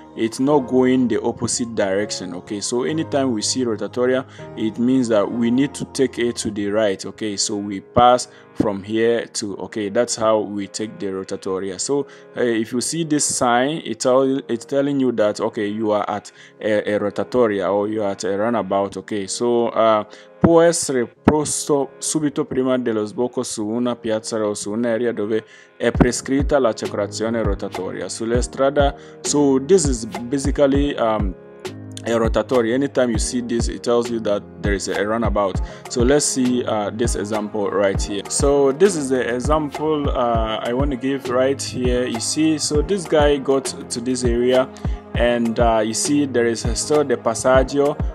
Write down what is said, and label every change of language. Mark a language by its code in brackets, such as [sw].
[en] It's not going the opposite direction, okay? So anytime we see rotatoria, it means that we need to take it to the right, okay? So we pass from here to, okay, that's how we take the rotatoria. So if you see this sign, it's telling you that, okay, you are at a rotatoria or you are at a runabout, okay? [it] So può essere posto subito prima dello sbocco su una piazza o su un'area dove è prescritta la circolazione rotatoria sulle strade. [en] So this is basically a rotatory. Anytime you see this, it tells you that there is a runabout. So let's see this example right here. So this is the example I want to give right here. You see, so this guy got to this area and you see there is still the passaggio.